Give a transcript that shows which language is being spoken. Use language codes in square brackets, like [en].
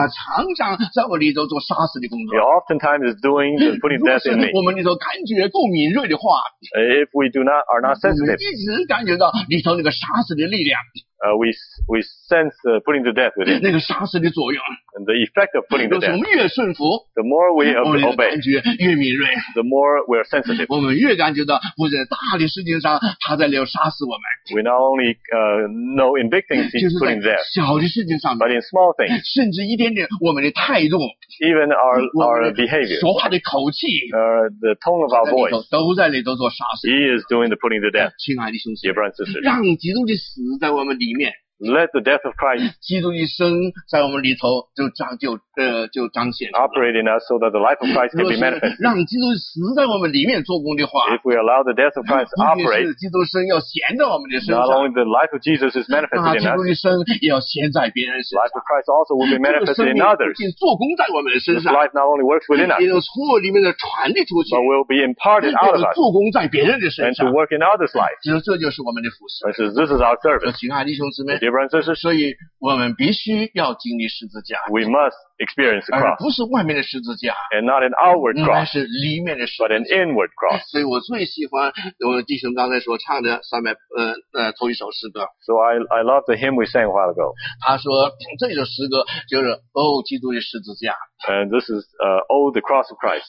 [zh] 他常常在我里头做杀死的工作。 [en] He oftentimes is doing the putting to death in me. [zh] 我们里头感觉够敏锐的话。 [en] If we are not sensitive. [zh] 一直感觉到里头那个杀死的力量。 [en] We sense putting to death with it. [zh] 那个杀死的作用。 [en] And the effect of putting to death. [zh] 我们越顺服。 [en] The more we obey. [zh] 我们的感觉越敏锐。 [en] The more we are sensitive. [zh] 我们越感觉到不在大的事情上他在要杀死我们。 [en] We not only know in big things he's putting to death. [zh] 小的事情上面。 [en] But in small things. [zh] 甚至一点点我们的态度。 [en] Even our behavior. [zh] 说话的口气。 [en] The tone of our voice. [zh] 都在里头做杀死。 [en] He is doing the putting to death. [zh] 亲爱的兄弟。 [en] Dear brothers and sisters. [zh] 让基督的死在我们里面。 [en] Let the death of Christ. [zh] 基督一生在我们里头就彰就就彰显。 [en] Operate in us so that the life of Christ can be manifested. [zh] 让基督死在我们里面做工的话。 [en] If we allow the death of Christ to operate. [zh] 基督生要显在我们的身上。 [en] Not only the life of Jesus is manifested in us. [zh] 基督一生也要显在别人身上。 [en] Life of Christ also will be manifested in others. [zh] 并做工在我们的身上。 [en] This life not only works within us. [zh] 也从我里面的传递出去。 [en] But will be imparted out of us. [zh] 做工在别人的身上。 [en] And to work in others' life. [zh] 其实这就是我们的服侍。 [en] This is our service. [zh] 亲爱的弟兄姊妹。所以我们必须要经历十字架。 [en] We must experience the cross. [zh] 而不是外面的十字架。 [en] And not an outward cross. [zh] 那是里面的十字架。 [en] But an inward cross. [zh] 所以我最喜欢我弟兄刚才所唱的上面头一首诗歌。 [en] So I love the hymn we sang a while ago. [zh] 他说这首诗歌就是哦基督的十字架。 [en] And this is oh the cross of Christ.